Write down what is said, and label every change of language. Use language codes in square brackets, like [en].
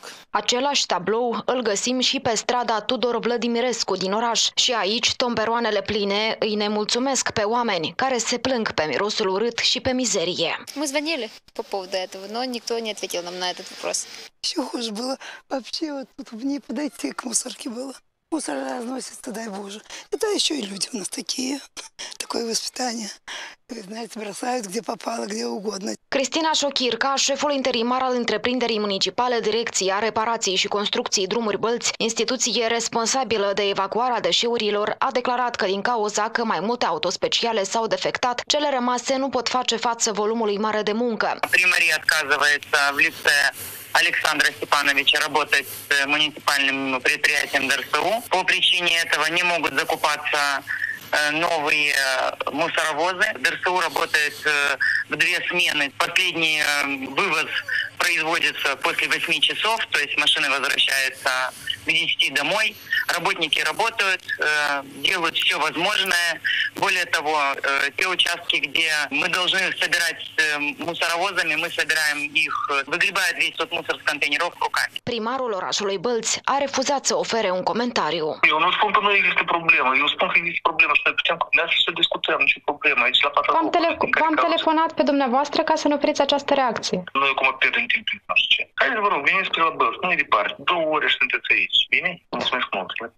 [ro] Același tablou îl găsim și pe strada Tudor Vladimirescu din oraș. Și aici, tomberoanele pline îi nemulțumesc pe oameni care se plâng pe mirosul urât și pe mizerie. [ru] Мы звонили по поводу этого, но никто не ответил нам на этот вопрос. Все хуже было. Вообще, вот тут не подойти к мусорке было. Мусор разносится, дай Боже. Это еще и люди у нас такие. Так такое воспитание. Знаете, бросают где попало, где угодно. [ro] Cristina Șochirca, șeful interimar al întreprinderii municipale Direcția Reparației și Construcției Drumuri Bălți, instituție responsabilă de evacuarea deșeurilor, a declarat că din cauza că mai multe autospeciale s-au defectat, cele rămase nu pot face față volumului mare de muncă. [ru] Primăria отказывается в лице Александра Степановича работать с муниципальным предприятием ДРСУ. По причине этого не могут закупаться новые мусоровозы. ДРСУ работает в две смены. Последний вывоз производится после 8 часов, то есть машины возвращаются к 10 домой. Работники работают, делают все возможное. Более того, те участки, где мы должны собирать мусоровозами, мы собираем их, выгребая весь тот мусор с контейнеров руками. [ro] Primarul orașului Бălți a refuzat să ofere un comentariu. Eu nu spun că nu există problemă. Eu spun că există problemă și noi putem cu dumneavoastră să discutăm. Nu e problemă. Aici la patru. V-am telefonat pe dumneavoastră ca să ne opriți această reacție. Noi cum pierdem timp prin așa ceva. Haideți, vă rog, veniți la Бălți. Nu e departe. Două ore sunteți aici. Bine? Mulțumesc mult.